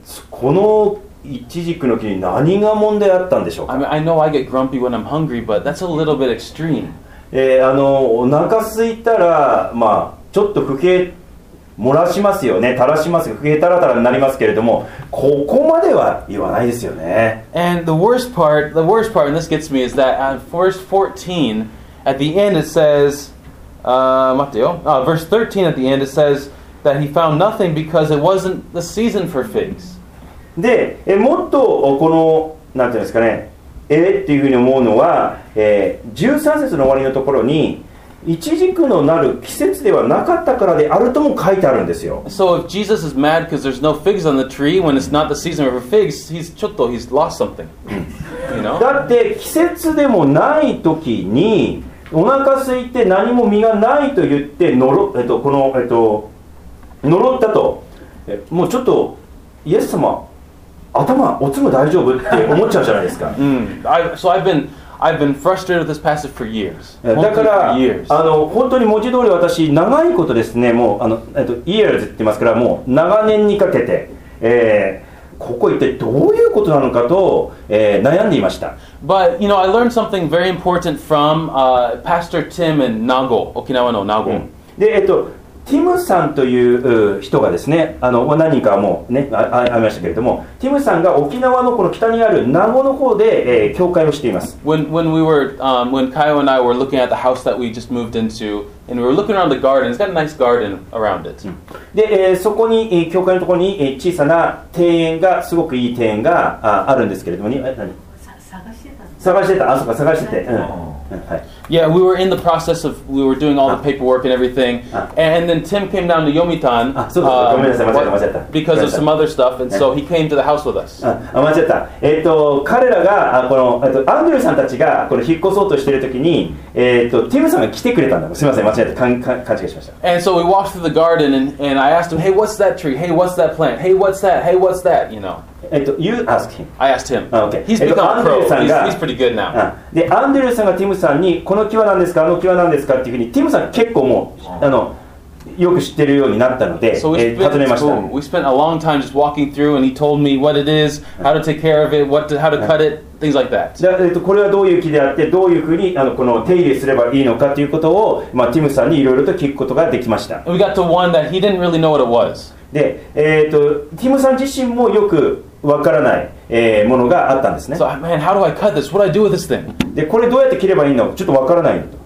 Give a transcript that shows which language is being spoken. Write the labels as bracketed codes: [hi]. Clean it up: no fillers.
[ja] このイチジクの木に何が問題あったんでしょうか。 [en] I mean, I know I get grumpy when I'm hungry, but that's a little bit extreme. [ja] お腹空いたら、まあ、ちょっと不平漏らしますよね、垂らしますよ、不平たらたらになりますけれども、ここまでは言わないですよね。 [en] And the worst part, and this gets me, is that at verse 14, at the end it says, [ja] 待ってよ、 [en] verse 13 at the end it says,That he found nothing because it wasn't the season for figs. [ja] で、もっとこの、なんていうんですかね、っていうふうに思うのは、13節の終わりのところに、イチジクのなる季節ではなかったからであるとも書いてあるんですよ。 [en] So if Jesus is mad because there's no figs on the tree when it's not the season for figs, he's lost something. You know? [ja] だって季節でもない時に、お腹空いて何も実がないと言って、この、呪ったと、もうちょっとイエス様頭おつむ大丈夫って思っちゃうじゃないですか。 [en] So I've been frustrated with this passage for years. [ja] だから本当に文字通り私長いことですね、もう [en] years [ja] って言いますから、もう長年にかけて、ここ一体どういうことなのかと、悩んでいました。 [en] But you know I learned something very important from Pastor Tim in Nago, Okinawa の Nago.、 [ja] うん、でティムさんという人がですね、何人かもね、ありましたけれども、ティムさんが沖縄のこの北にある名護の方で、教会をしています。 [en] When we were, when Kyle and I were looking at the house that we just moved into, and we were looking around the garden, it's got a nice garden around it. [ja] で、そこに、教会のところに小さな庭園が、すごくいい庭園が あるんですけれども、ね、探してた。探してた、あそこ探してて。うん [en] Yeah, we were in the process of, we were doing all the paperwork and everything, and then Tim came down to Yomitan, because of some other stuff, and so he came to the house with us. [ja] あ、間違った。彼らが、この、アンドリューさんたちが、この引っ越そうとしてるときに、ティムさんが来てくれたんだ。すみません、間違えた。勘違いしました。 [en] And so we walked through the garden, and I asked him, hey, what's that tree? Hey, what's that plant? Hey, what's that? Hey, what's that? You know. You ask him. I asked him. Okay. He's become a pro. He's pretty good now. [ja] で、アンドリューさんがティムさんにこの木は何ですか、あの木は何ですかっていうふうにティムさん結構もう、あの、よく知ってるようになったので、尋ねました。 [en] We spent a long time just walking through and he told me what it is, how to take care of it, how to cut it, things like that. [ja] で、これはどういう木であって、どういうふうにあのこの手入れすればいいのかということを、まあ、ティムさんにいろいろと聞くことができました。 [en] We got to one that he didn't really know what it was. [ja] で、ティムさん自身もよくわからない、ものがあったんですね。 [en] So, man, how do I cut this? What do I do with this thing? [ja] で、これどうやって切ればいいの？ちょっとわからないと。